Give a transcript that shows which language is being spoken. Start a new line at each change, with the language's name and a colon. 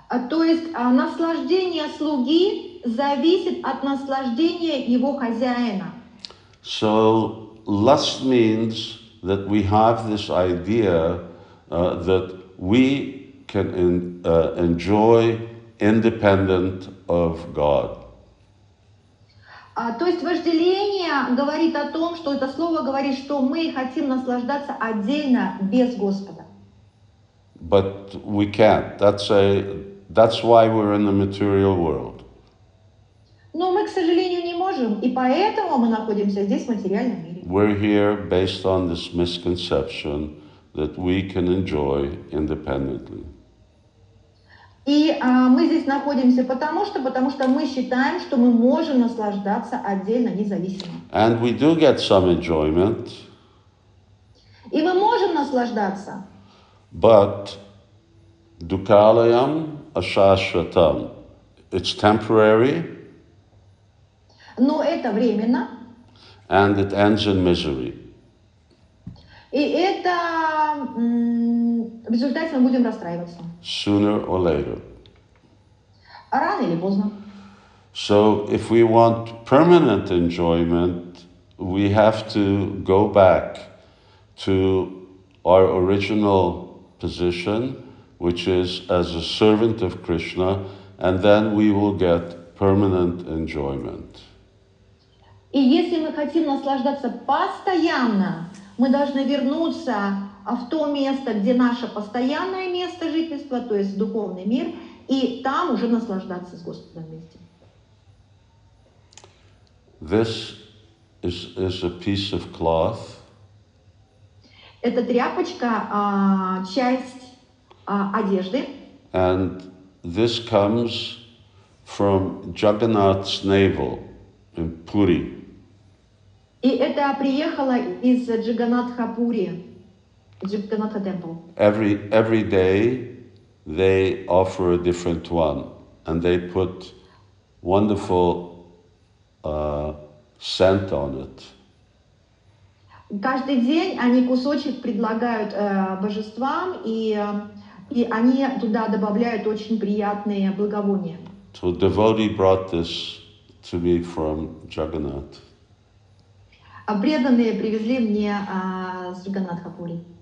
Russian: То есть наслаждение слуги зависит от наслаждения его хозяина.
English: So lust means that we have this idea that we can enjoy independent of God.
Russian: То есть вожделение говорит о том, что это слово говорит, что мы хотим наслаждаться отдельно без Господа.
English: But we can't. That's why we're in the material world.
Russian: Но мы, к сожалению, не можем, и поэтому мы находимся здесь, в материальном мире.
English: We're here based on this misconception that we can enjoy independently.
Russian: И мы здесь находимся потому что мы считаем, что мы можем наслаждаться отдельно, независимо.
English: And we do get some enjoyment.
Russian: И мы можем наслаждаться.
Sanskrit: But dukalayam ashashvatam.
English: It's temporary.
Russian: Но это временно.
English: And it ends in misery.
Russian: И это в результате мы будем расстраиваться.
English: Sooner or later.
Russian: Рано или поздно.
English: So if we want permanent enjoyment, we have to go back to our original position, which is as a servant of Krishna, and then we will get permanent enjoyment.
Russian: И если мы хотим наслаждаться постоянно, мы должны вернуться в то место, где наше постоянное место жительства, то есть духовный мир, и там уже наслаждаться с Господом вместе.
English: This is a piece of cloth.
Russian: Это тряпочка, часть одежды.
English: And this comes from Jagannath's navel in Puri. И это приехало из Джаганатха Пури, Джаганатха Temple. Every day they offer a different one, and they put wonderful scent on it.
Russian: Каждый день они кусочек предлагают божествам, и они туда добавляют очень приятные благовония.
English: So a devotee brought this to me from Jagannath.
Russian: А преданные привезли мне с Джаганнатхапури.